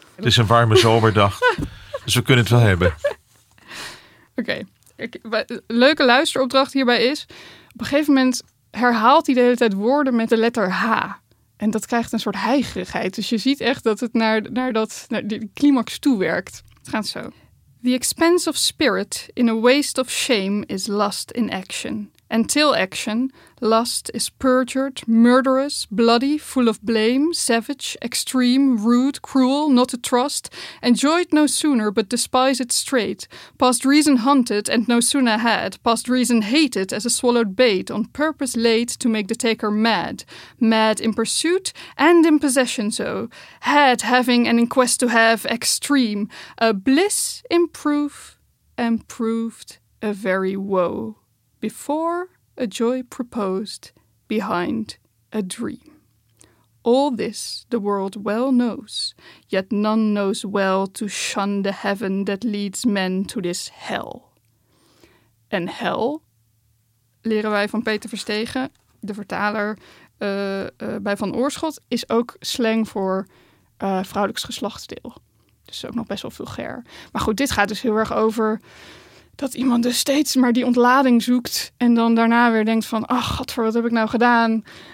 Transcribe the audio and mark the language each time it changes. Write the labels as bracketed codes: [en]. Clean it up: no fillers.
[nl] Het is een warme zomerdag, dus we kunnen het wel hebben. Oké. Okay. Leuke luisteropdracht hierbij is, op een gegeven moment herhaalt hij de hele tijd woorden met de letter H. En dat krijgt een soort heigerigheid. Dus je ziet echt dat het naar de climax toe werkt. Het gaat zo. [en] The expense of spirit in a waste of shame is lust in action. Until action, lust is perjured, murderous, bloody, full of blame, savage, extreme, rude, cruel, not to trust, enjoyed no sooner but despise it straight, past reason hunted and no sooner had, past reason hated as a swallowed bait, on purpose laid to make the taker mad, mad in pursuit and in possession so, had having and in quest to have extreme, a bliss in proof and proved a very woe. Before a joy proposed, behind a dream. All this the world well knows, yet none knows well to shun the heaven that leads men to this hell. [nl] En hell, leren wij van Peter Verstegen, de vertaler bij Van Oorschot, is ook slang voor vrouwelijks geslachtsdeel. Dus ook nog best wel vulgair. Maar goed, dit gaat dus heel erg over dat iemand dus steeds maar die ontlading zoekt en dan daarna weer denkt van, ach, godver, wat heb ik nou gedaan?